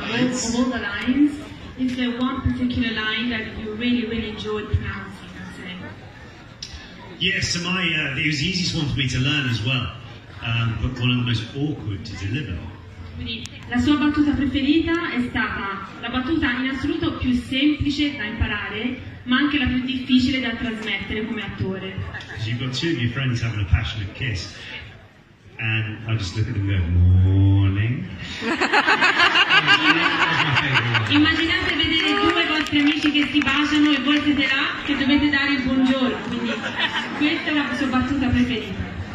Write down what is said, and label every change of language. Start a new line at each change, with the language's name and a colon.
English: Of all the lines, is there one particular line that you really, really enjoyed pronouncing and saying? Yes, so it was the easiest one for me to learn as well, but one of the most awkward to deliver.
Italian: Quindi, la sua battuta preferita è stata la battuta in assoluto più semplice da imparare, ma anche la più difficile da trasmettere come attore.
English: Because you've got two of your friends having a passionate kiss, and I just look at them and go, morning.
Italian: Immaginate vedere due vostri amici che si baciano e voi siete là che dovete dare il buongiorno, quindi questa è la sua battuta preferita.